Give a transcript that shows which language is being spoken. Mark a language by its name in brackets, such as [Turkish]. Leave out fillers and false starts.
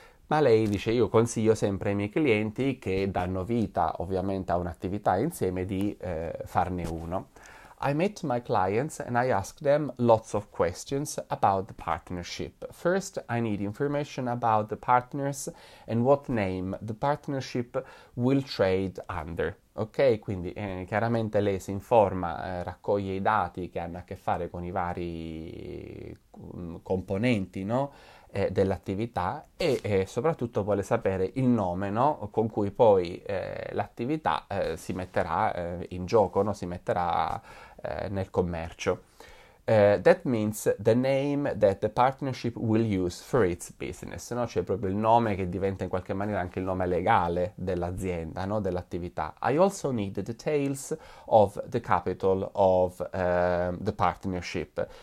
[Italian] Ma lei dice, io consiglio sempre ai miei clienti che danno vita ovviamente a un'attività insieme di farne uno. [English] I met my clients and I asked them lots of questions about the partnership. First, I need information about the partners and what name the partnership will trade under. [Italian] Ok, quindi chiaramente lei si informa, raccoglie i dati che hanno a che fare con i vari componenti, no? Dell'attività e soprattutto vuole sapere il nome, no? Con cui poi l'attività si metterà in gioco, no? Si metterà nel commercio. [English] That means the name that the partnership will use for its business, no? [Italian] Cioè proprio il nome che diventa in qualche maniera anche il nome legale dell'azienda, no? Dell'attività. [English] I also need the details of the capital of the partnership.